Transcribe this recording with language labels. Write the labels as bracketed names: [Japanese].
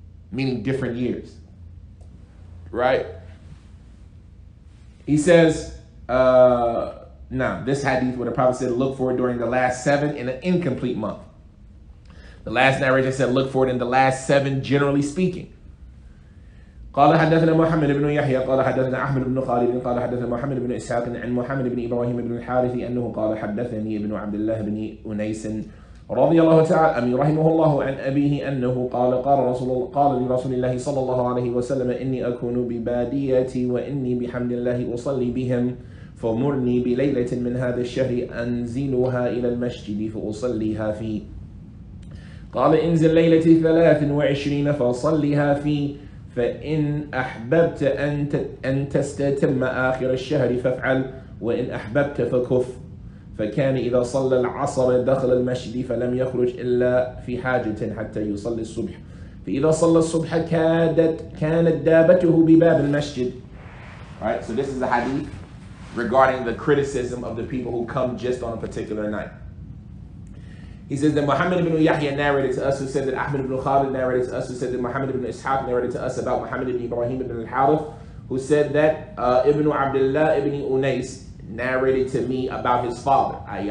[English] Meaning different years. Right? He says, this hadith where the Prophet said, look for it during the last seven in an incomplete month. The last narration said, look for it in the last seven, generally speaking. [Arabic] قال حدثنا محمد بن يحيى قال حدثنا أحمد بن خالد قال حدثنا محمد بن إسحاق عن محمد بن إبراهيم بن الحارث أنه قال حدثني ابن عبد الله بن أنيس رضي الله تعالى أمي رحمه الله عن أبيه أنه قال قال لرسول الله صلى الله عليه وسلم إني أكون ببادياتي وإني بحمد الله أصلي بهم فمرني بليلة من هذا الشهر أنزلها إلى المسجد فأصليها فيه قال انزل ليلة 23 فصليها فيه فإن أحببت أن تستتم آخر الشهر فافعل وإن أحببت فكف فكان إذا صلى العصر دخل المسجد فلم يخرج إلا في حاجة حتى يصلي الصبح فإذا صلى الصبح كانت دابته بباب المسجد. [English] Right, so this is the hadith regarding the criticism of the people who come just on a particular night. He says that Muhammad ibn Yahya narrated to us who said that Ahmad ibn Khalid narrated to us who said that Muhammad ibn Ishaq narrated to us about Muhammad ibn Ibrahim ibn al-Harith who said that Ibn Abdullah ibn Unais narrated to me about his father, i.e.